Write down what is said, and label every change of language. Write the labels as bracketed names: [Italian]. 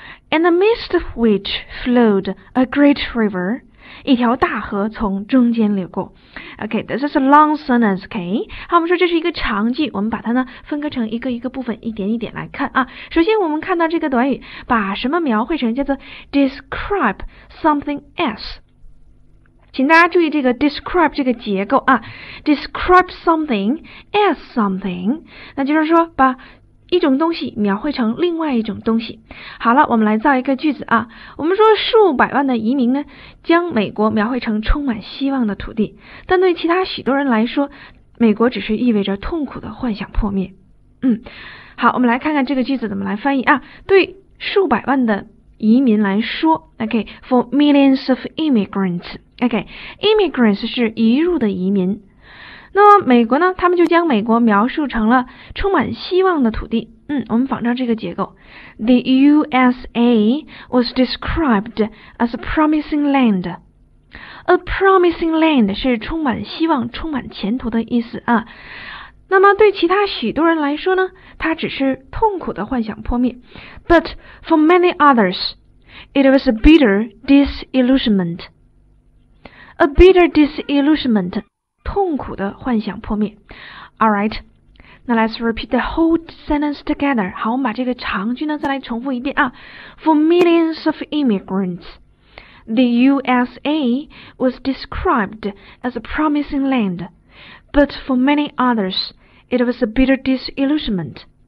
[English] in the midst of which flowed a great river, [Chinese] 一条大河从中间流过。 [English] Okay, this is a long sentence, okay? [Chinese] 好，我们说这是一个长句，我们把它呢分割成一个一个部分，一点一点来看啊。首先我们看到这个短语，把什么描绘成叫做 [English] describe something as。 [Chinese] 请大家注意这个 describe 这个结构啊， [English] describe something as something, [Chinese] 那就是说把一种东西描绘成另外一种东西。好了，我们来造一个句子啊。我们说数百万的移民呢，将美国描绘成充满希望的土地，但对其他许多人来说，美国只是意味着痛苦的幻想破灭。好，我们来看看这个句子怎么来翻译啊。对数百万的移民来说 ，OK, [English] for millions of immigrants, [Chinese] OK, immigrants 是移入的移民。那么美国呢，他们就将美国描述成了充满希望的土地。我们仿照这个结构。 [English] The USA was described as a promising land. A promising land [Chinese] 是充满希望、充满前途的意思啊。那么对其他许多人来说呢，它只是痛苦的幻想破灭。 [English] But for many others, it was a bitter disillusionment. A bitter disillusionment. [Chinese] 痛苦的幻想破灭。 [English] All right, now let's repeat the whole sentence together. [Chinese] 好，我们把这个长句呢再来重复一遍啊。 [English] For millions of immigrants, the USA was described as a promising land, but for many others, it was a bitter disillusionment.